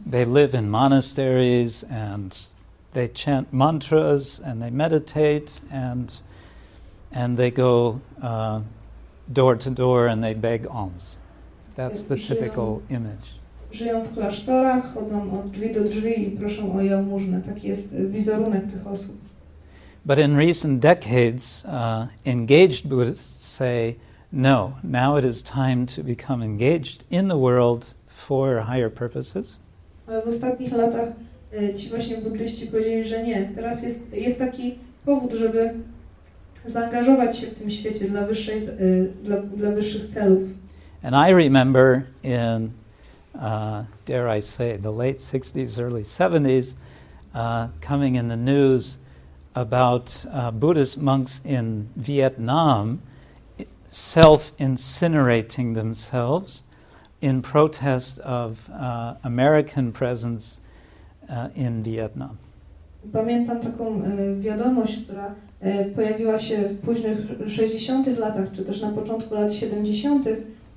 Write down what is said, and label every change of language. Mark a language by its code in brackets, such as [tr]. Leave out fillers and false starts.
[en] They live in monasteries and they chant mantras and they meditate and they go door to door and they beg alms. That's the typical image. [pl] Żyją w klasztorach, chodzą od drzwi do drzwi i proszą o jałmużnę. Taki jest wizerunek tych osób. [en] But in recent decades, engaged Buddhists say, no, now it is time to become engaged in the world for higher purposes. [pl] Ale w ostatnich latach ci właśnie buddyści powiedzieli, że nie. Teraz jest taki powód, żeby zaangażować się w tym świecie dla wyższych celów. [en] And I remember in, dare I say, the late 60s, early 70s, coming in the news about Buddhist monks in Vietnam self-incinerating themselves in protest of American presence in Vietnam. [pl] Pamiętam taką wiadomość, która pojawiła się w późnych 60-tych latach, czy też na początku lat 70-tych.